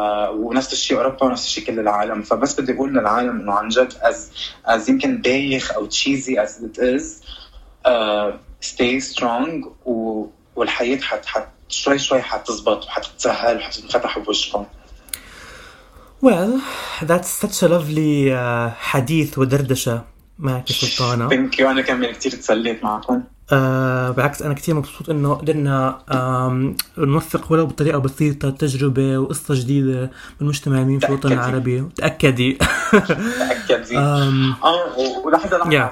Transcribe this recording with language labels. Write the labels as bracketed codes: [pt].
[ar] ونفس الشيء أوروبا ونفس الشيء كل العالم. فبس بدي أقول للعالم إنه عن جد as يمكن بايخ أو [en] cheesy as it is stay strong [ar] والحياة حت شوي شوي حتزبط وحتتسهل وحتنفتح بوشكم. [en] Well, that's such a lovely [ar] حديث ودردشة معك [en] سلطانة. Thank you. [ar] أنا كمان كتير تسليت معكم. بالعكس أنا كتير مبسوط إنه قدرنا نوثق ولو بطريقة بسيطة تجربة وقصة جديدة من مجتمع المين في الوطن العربي. تأكدي. ولحظة لحظة yeah.